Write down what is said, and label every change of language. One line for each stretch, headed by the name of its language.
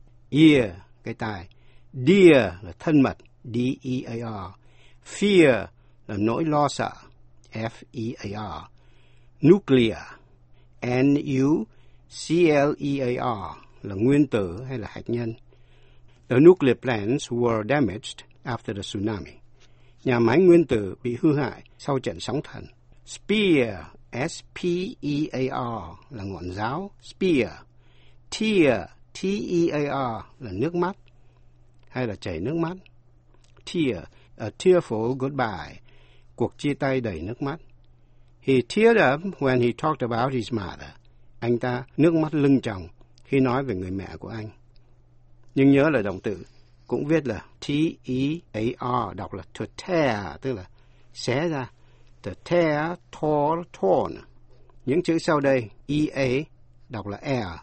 Vietnamese: Ear, cái tai. Dear là thân mật, D-E-A-R. Fear là nỗi lo sợ, F-E-A-R. Nuclear, N-U-C-L-E-A-R, là nguyên tử hay là hạt nhân.
English: The nuclear plants were damaged after the tsunami.
Vietnamese: Nhà máy nguyên tử bị hư hại sau trận sóng thần. Spear, S-P-E-A-R, là ngọn giáo, spear. Tear, T-E-A-R, là nước mắt hay là chảy nước mắt. Tear,
English: a tearful goodbye,
Vietnamese: cuộc chia tay đầy nước mắt.
English: He teared up when he talked about his mother.
Vietnamese: Anh ta nước mắt lưng tròng khi nói về người mẹ của anh. Nhưng nhớ là động từ cũng viết là T-E-A-R, đọc là to tear, tức là xé ra. To tear, tore, torn. Những chữ sau đây, E-A, đọc là air.